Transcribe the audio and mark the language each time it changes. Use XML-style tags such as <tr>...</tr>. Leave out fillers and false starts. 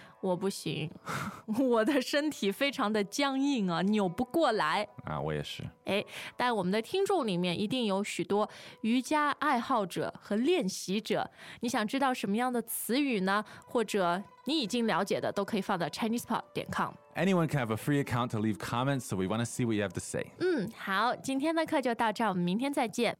<zh>我不行，我的身体非常的僵硬啊，扭不过来啊。我也是。哎，但我们的听众里面一定有许多瑜伽爱好者和练习者，你想知道什么样的词语呢？或者你已经了解的都可以放到 ChinesePod.com。</zh> <en>Anyone can have a free account to leave comments, so we want to see what you have to say.</en> <zh>嗯，好，今天的课就到这儿，我们明天再见。</zh>